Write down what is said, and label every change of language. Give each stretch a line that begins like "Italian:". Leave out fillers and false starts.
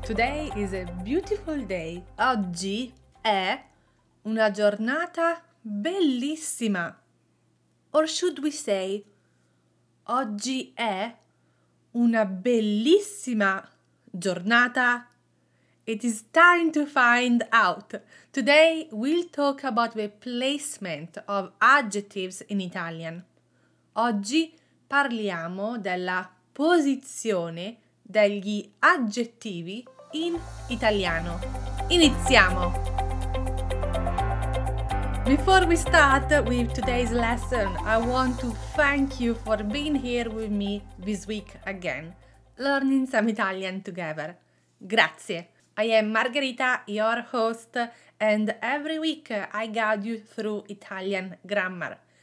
English: Today is a beautiful day.
Italian: Oggi è una giornata bellissima.
English: Or should we say,
Italian: oggi è una bellissima giornata.
English: It is time to find out. Today we'll talk about the placement of adjectives in Italian.
Italian: Oggi parliamo della posizione degli aggettivi in italiano. Iniziamo!
English: Before we start with today's lesson, I want to thank you for being here with me this week again, learning some Italian together. Grazie! I am Margherita, your host, and every week I guide you through Italian grammar.